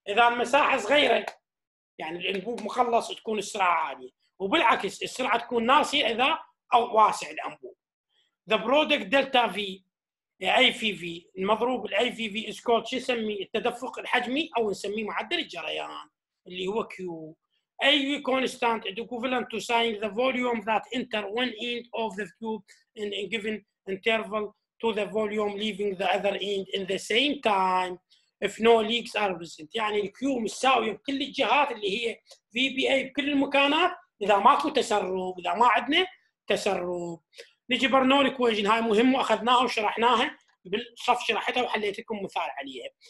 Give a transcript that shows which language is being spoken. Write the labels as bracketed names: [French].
[Arabic] اذا المساحه صغيره يعني الانبوب مخلص تكون السرعه عاليه, وبالعكس السرعه تكون ناصيه اذا او واسع الانبوب. [English] the product delta v [Arabic] اي في في, المضروب الاي في في [English] is called [Arabic] شو نسميه؟ التدفق الحجمي او نسميه معدل الجريان اللي هو كيو. [English] A constant is equivalent to saying the volume that enter one end of the tube in a given interval to the volume leaving the other end in the same time if no leaks are present. [Arabic] يعني الـ Q مساوي بكل الجهات اللي هي VBA بكل المكانات إذا ماكو تسرب, إذا ما عندنا تسرب. نجي برنول equation, هاي مهمة أخذناها وشرحناها بالصف, شرحتها وحليت لكم مثال عليها.